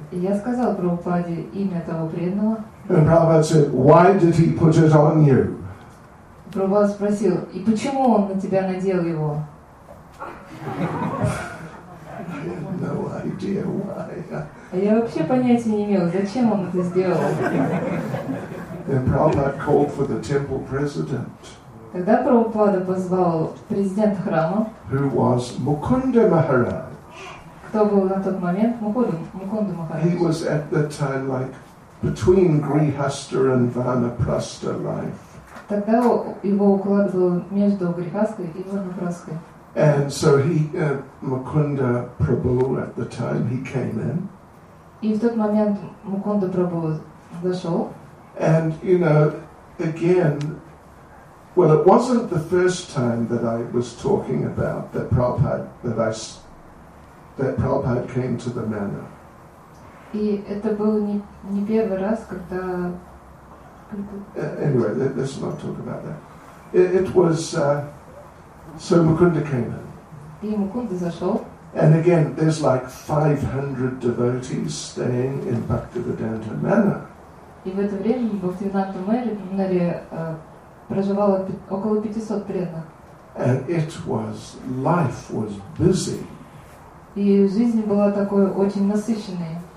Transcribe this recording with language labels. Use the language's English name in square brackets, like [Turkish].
[Russian] И я сказал Прабхупаде имя того преданного. [English] And Prabhupada said, "Why did he put it on you?" [Russian] Прабхупада спросил, и почему он на тебя надел его? [English] Idea why. [Russian] Я вообще понятия не имел, зачем он это сделал. [English] Then Prabhupada called for the temple president. [Russian] Тогда Прабхупада позвал президента храма. [English] Who was Mukunda Maharaj? [Russian] Кто был на тот момент Мукунда Махарадж? [English] He was at that time like between Grihastha and Vanaprastha life. [Russian] Тогда его уклад был между Грихастой и Ванапрастой. [English] And so he, Mukunda Prabhu, at the time he came in. [Russian] И в тот момент Мукунда Прабху зашел. [English] And you know, again, well, it wasn't the first time that I was talking about that Prabhupada came to the manor. [Russian] И это был не первый раз, когда. [English] Anyway, let's not talk about that. It was. So Mukunda came in. [Russian] И Мукунда зашел. [English] And again, there's like 500 devotees staying in Bhaktivedanta Manor. [Russian] И в это время в Бхактивиданта Мэре проживало около 500 преданных. [English] And it was, life was busy. [Russian] И жизнь была такой очень насыщенной.